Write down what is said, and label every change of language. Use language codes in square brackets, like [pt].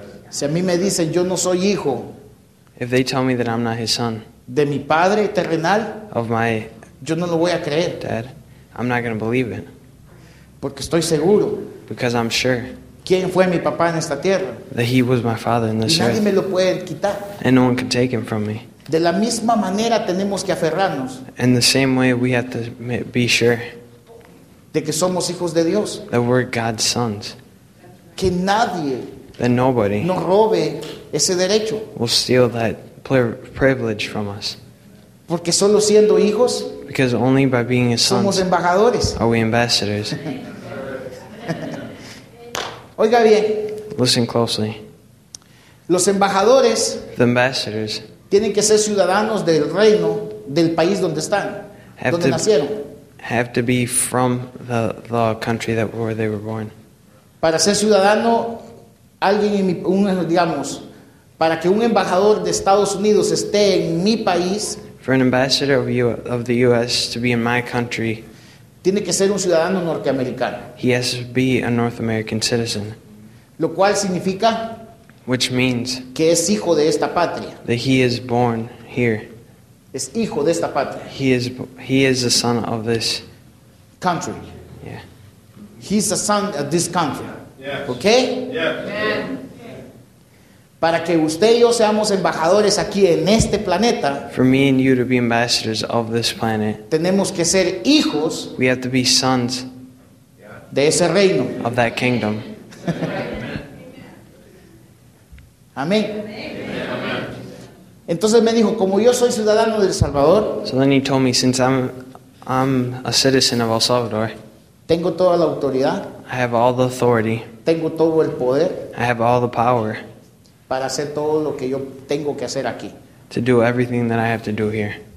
[es] Si a mí me dicen yo no soy hijo. [en] If they tell me that I'm not his son. [es] de mi padre terrenal, [en] of my [es] yo no lo voy a creer. [en] Dad, I'm not going to believe it. [es] Porque estoy seguro. [en] Because I'm sure. [es] ¿Quién fue mi papá en esta tierra? [en] That he was my father in this earth. [es] Y nadie me lo puede quitar. [en] And no one can take him from me. [es] De la misma manera tenemos que aferrarnos. [en] In the same way we have to be sure. [es] De que somos hijos de Dios. [en] That we're God's sons. [es] Que nadie. [en] That nobody. [es] No robe ese derecho. [en] Will steal that privilege from us. [es] Porque solo siendo hijos. [en] Because only by being his [es] somos [en] sons. [es] Embajadores. [en] Are we ambassadors? [es] Oiga bien. [en] Listen closely. [es] Los embajadores. [en] The ambassadors. [es] Tienen que ser ciudadanos del reino del país donde están, donde nacieron. [en] Have to be from the country that where they were born. [es] Para ser ciudadano, alguien en mi, un, digamos, para que un embajador de Estados Unidos esté en mi país. [en] For an ambassador of the U.S. to be in my country. [es] Tiene que ser un ciudadano norteamericano. [en] He has to be a North American citizen. [es] Lo cual significa. [en] Which means [es] que es hijo de esta patria. [en] That he is born here. [es] Es hijo de esta patria. [en] He is the son of this country. Yeah. He's the son of this country. Yes. Okay? Yeah. [es] Para que usted y yo seamos embajadores aquí en este planeta. [en] For me and you to be ambassadors of this planet. [es] Tenemos que ser hijos. [en] We have to be sons. [es] De ese reino. [en] Of that kingdom. [es] Amén. Entonces me dijo, como yo soy ciudadano de El Salvador, [en] so then he told me, since I'm a citizen of El Salvador, [es] tengo toda la autoridad, [en] I have all the authority, [es] tengo todo el poder, [en] I have all the power, [es] para hacer todo lo que yo tengo que hacer aquí, [en] to do everything that I have to do here.